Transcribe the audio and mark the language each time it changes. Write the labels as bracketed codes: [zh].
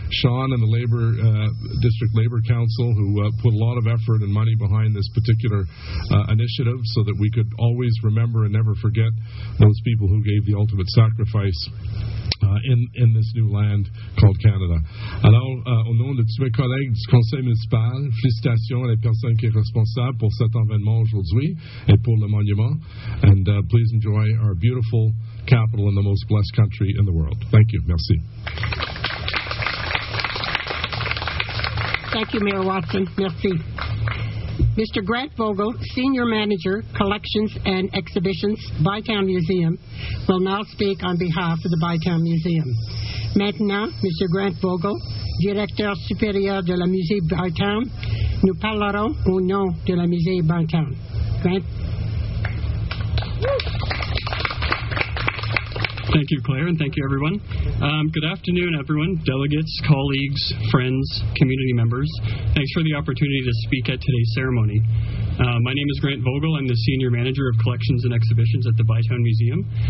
[en] Sean and the Labor District Labor Council, who put a lot of effort and money behind this particular initiative so that we could always remember and never forget those people who gave the ultimate sacrifice in this new land called Canada. [fr] Alors, au nom de tous mes collègues du conseil municipal, félicitations à la personne qui est responsable pour cet événement aujourd'hui et pour le monument. [en] And please enjoy our beautiful capital in the most blessed country in the world. Thank you. Merci. Thank you, Mayor Watson. Merci. Mr. Grant Vogl, Senior Manager, Collections and Exhibitions, Bytown Museum, will now speak on behalf of the Bytown Museum. [fr] Maintenant, Mr. Grant Vogl, Directeur Supérieur de la Musée Bytown, nous parlerons au nom de la Musée Bytown. [en] Grant. Thank you, Claire, and thank you, everyone. Good afternoon, everyone, delegates, colleagues, friends, community members. Thanks for the opportunity to speak at today's ceremony. My name is Grant Vogl. I'm the Senior Manager of Collections and Exhibitions at the Bytown Museum.